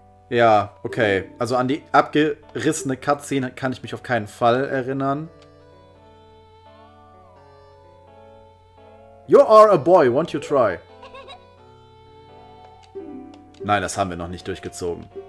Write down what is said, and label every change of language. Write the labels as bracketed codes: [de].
[de] Ja, okay. Also an die abgerissene Cutscene kann ich mich auf keinen Fall erinnern. [en] You are a boy, won't you try? [de] Nein, das haben wir noch nicht durchgezogen.